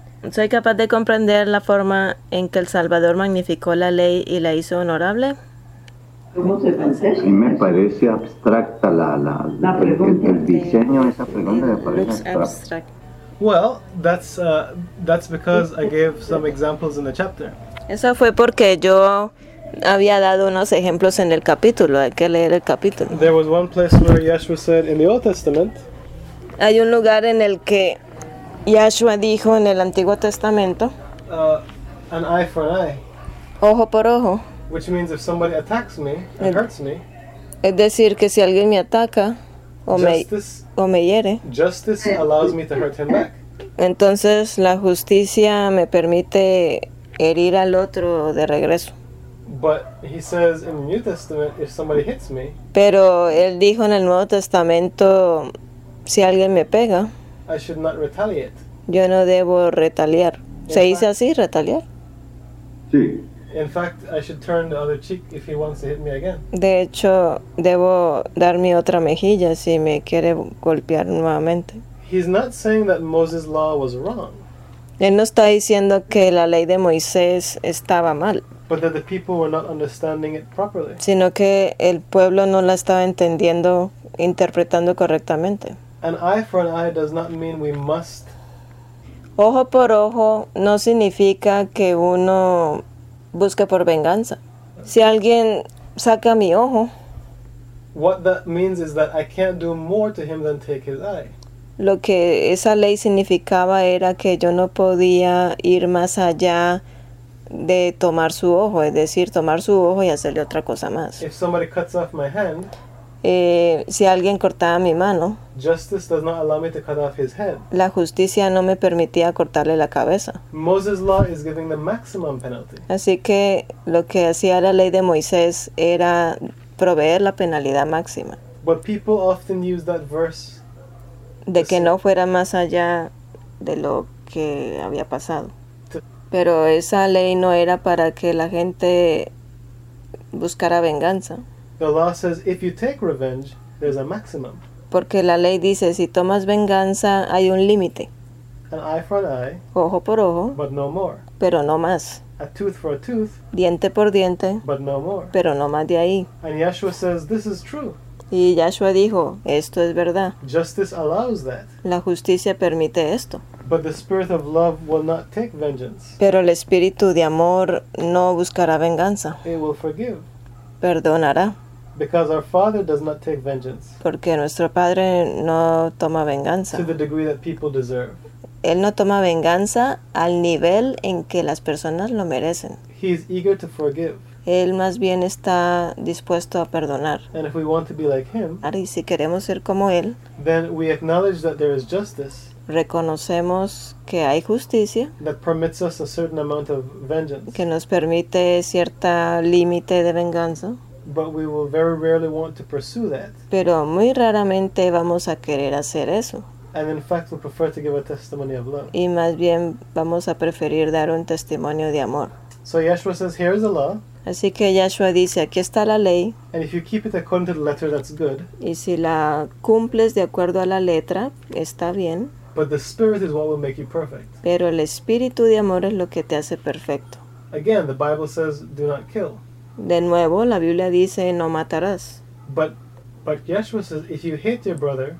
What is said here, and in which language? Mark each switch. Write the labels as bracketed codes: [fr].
[es] ¿Soy capaz de comprender la forma en que el Salvador magnificó la ley y la hizo honorable? ¿Cómo se pensó? A mí me parece abstracta la pregunta. El diseño de esa pregunta me parece abstracta. [en] Well, that's because I gave some examples in the chapter. [es] Eso fue porque yo había dado unos ejemplos en el capítulo. Hay que leer el capítulo. [en] There was one place where Yeshua said in the Old Testament. [es] Hay un lugar en el que Yahshua dijo en el Antiguo Testamento, [en] an eye for an eye, [es] ojo por ojo, [en] which means if somebody attacks me and hurts me, [es] es decir que si alguien me ataca o me hiere, [en] justice allows me to hurt him back. [es] Entonces la justicia me permite herir al otro de regreso. [en] But he says in the New Testament, if somebody hits me, [es] pero él dijo en el Nuevo Testamento si alguien me pega, [en] I should not retaliate. [es] Yo no debo retaliar. ¿Se dice así, retaliar? Sí. [en] In fact, I should turn the other cheek if he wants to hit me again. [es] De hecho, debo dar mi otra mejilla si me quiere golpear nuevamente. [en] He's not saying that Moses' law was wrong. [es] Él no está diciendo que la ley de Moisés estaba mal. [en] But that the people were not understanding it properly. [es] Sino que el pueblo no la estaba entendiendo, interpretando correctamente. [en] An eye for an eye does not mean we must. [es] Ojo por ojo no significa que uno busque por venganza. Si alguien saca mi ojo, [en] what that means is that I can't do more to him than take his eye. [es] Lo que esa ley significaba era que yo no podía ir más allá de tomar su ojo, es decir, tomar su ojo y hacerle otra cosa más. [en] If somebody cuts off my hand, [es] si alguien cortaba mi mano, [en] justice does not allow me to cut off his head. [es] La justicia no me permitía cortarle la cabeza. [en] Moses' law is giving the maximum penalty. [es] Así que lo que hacía la ley de Moisés era proveer la penalidad máxima. [en] But people often use that verse [es] de que no fuera más allá de lo que había pasado. Pero esa ley no era para que la gente buscara venganza. [en] The law says if you take revenge, there's a maximum. [es] Porque la ley dice si tomas venganza hay un límite. [en] An eye for an eye. [es] Ojo por ojo. [en] But no more. [es] Pero no más. [en] A tooth for a tooth. [es] Diente por diente. [en] But no more. [es] Pero no más de ahí. [en] And Yeshua says this is true. [es] Y Yeshua dijo esto es verdad. [en] Justice allows that. [es] La justicia permite esto. [en] But the spirit of love will not take vengeance. [es] Pero el espíritu de amor no buscará venganza. [en] It will forgive. [es] Perdonará. [en] Because our Father does not take vengeance. [es] Porque nuestro Padre no toma venganza. [en] To the degree that people deserve. [es] Él no toma venganza al nivel en que las personas lo merecen. [en] He is eager to forgive. [es] Él más bien está dispuesto a perdonar. [en] And if we want to be like him, [es] y si queremos ser como él, [en] then we acknowledge that there is justice. [es] Reconocemos que hay justicia [en] that permits us a certain amount of vengeance, [es] que nos permite cierto límite de venganza, [en] but we will very rarely want to pursue that. [es] Pero muy raramente vamos a querer hacer eso. [en] And in fact, we prefer to give a testimony of love. [es] Y más bien vamos a preferir dar un testimonio de amor. [en] So Yeshua says, "Here is the law." [es] Así que Yeshua dice, aquí está la ley. [en] And if you keep it according to the letter, that's good. [es] Y si la cumples de acuerdo a la letra, está bien. [en] But the spirit is what will make you perfect. [es] Pero el espíritu de amor es lo que te hace perfecto. [en] Again, the Bible says, "Do not kill." [es] De nuevo, la Biblia dice, no matarás. [en] But Yeshua says, if you hate your brother,